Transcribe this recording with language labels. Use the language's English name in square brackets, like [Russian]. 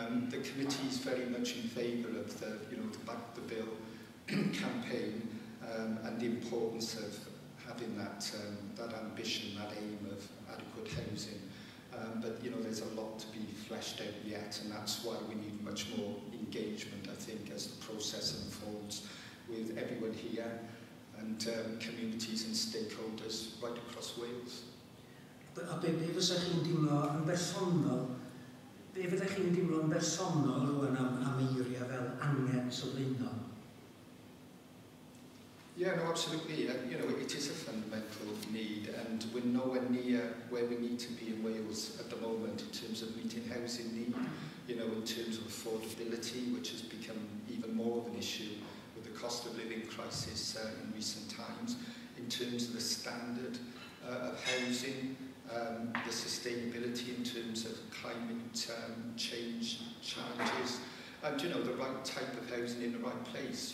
[English] The committee is very much in favour of the, you know, the Back the Bill campaign and the importance of having that that ambition, that aim of adequate housing. But, you know, there's a lot to be fleshed out yet, and that's why we need much more engagement, I think, as the process unfolds with everyone here and communities and stakeholders right across Wales. [Welsh] A be fysa chi'n deimlo yn bersonol, be fyddech chi'n deimlo yn bersonol rwan am eiria fel angen sylfaenol? [English] Yeah, no, absolutely. You know, it is a fundamental need, and we're nowhere near where we need to be in Wales at the moment in terms of meeting housing need, you know, in terms of affordability, which has become even more of an issue with the cost of living crisis in recent times, in terms of the standard of housing, the sustainability in terms of climate change challenges, and, you know, the right type of housing in the right place.